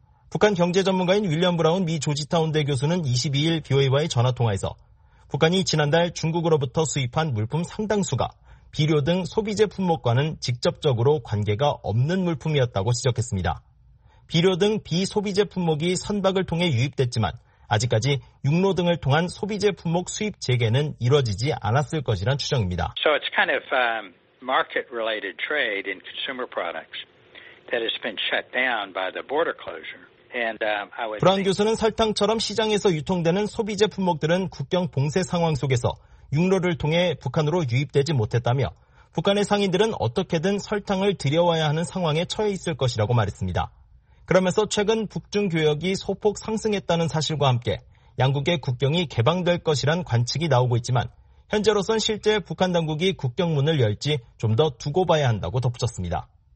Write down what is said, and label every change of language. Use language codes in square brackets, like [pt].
[ko] 북한 경제 전문가인 윌리엄 브라운 미 조지타운대 교수는 22일 BOA와의 전화통화에서 북한이 지난달 중국으로부터 수입한 물품 상당수가 비료 등 소비 제품목과는 직접적으로 관계가 없는 물품이었다고 지적했습니다. 비료 등 비소비 제품목이 선박을 통해 유입됐지만 아직까지 육로 등을 통한 소비 제품목 수입 재개는 이뤄지지 않았을 것이란 추정입니다. [en] So it's kind of market related trade in consumer products that has been shut down by the border closure. [ko] 브라운 교수는 설탕처럼 시장에서 유통되는 소비 제품목들은 국경 봉쇄 상황 속에서 육로를 통해 북한으로 유입되지 못했다며 북한의 상인들은 어떻게든 설탕을 들여와야 하는 상황에 처해 있을 것이라고 말했습니다. 그러면서 최근 북중 교역이 소폭 상승했다는 사실과 함께 양국의 국경이 개방될 것이란 관측이 나오고 있지만 현재로선 실제 북한 당국이 국경문을 열지 좀 더 두고 봐야 한다고 덧붙였습니다.